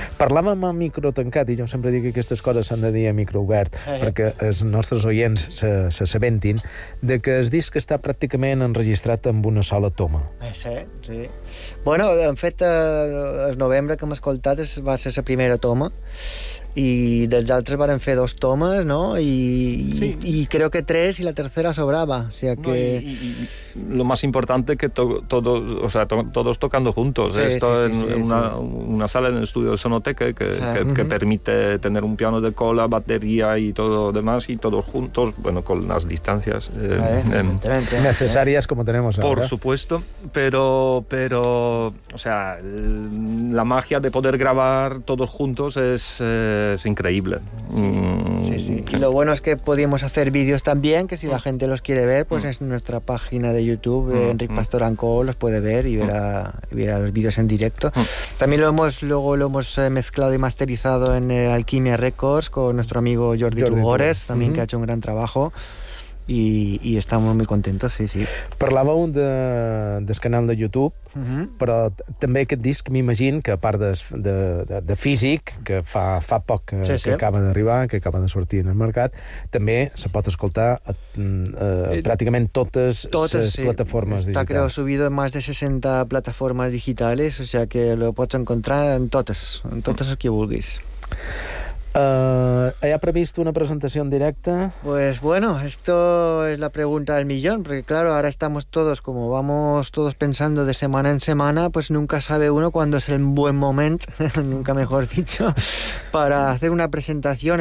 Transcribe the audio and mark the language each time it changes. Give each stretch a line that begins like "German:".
Catalan: Parlàvem a micro tancat, i jo sempre dic que aquestes coses s'han de dir a micro obert, perquè els nostres oients s'assabentin, de que el disc està pràcticament enregistrat amb una sola toma. Sí. Bueno, en fet, el novembre que hem escoltat va ser la primera toma, i dels altres varen fer dos tomes, no? I crec que tres i la tercera sobrava,
Spanish: o sea que lo más importante que todos tocando juntos, sí, esto sí, en sí, una sala en el estudio de Sonoteca que permite tener un piano de cola, batería y todo demás y todos juntos, bueno, con las distancias necesarias como tenemos ahora. Por supuesto, pero o sea, la magia de poder grabar todos juntos es increíble. Sí. Y lo bueno es que podíamos hacer vídeos también, que si la gente los quiere ver, pues es nuestra página de YouTube, Enric Pastor Anco, los puede ver y verá los vídeos en directo. También luego lo hemos mezclado y masterizado en Alquimia Records con nuestro amigo Jordi Tugores, también que ha hecho un gran trabajo.
Catalan: I estem molt contentos, sí. Parlàveu del canal de YouTube, però també aquest disc, m'imagino, que a part de físic, que fa poc que acaba d'arribar, que acaba de sortir en el mercat, també se pot escoltar pràcticament totes les plataformes digitals.
Spanish: Està, creo, subido en más de 60 plataformes digitales, o sea que lo pots encontrar en
Catalan: totes el que vulguis.
Spanish: ¿Ha previsto una presentación directa? Pues bueno, esto es la pregunta del millón, porque claro, ahora estamos todos, como vamos todos pensando de semana en semana, pues nunca sabe uno cuándo es el buen momento, nunca mejor dicho, para hacer una presentación.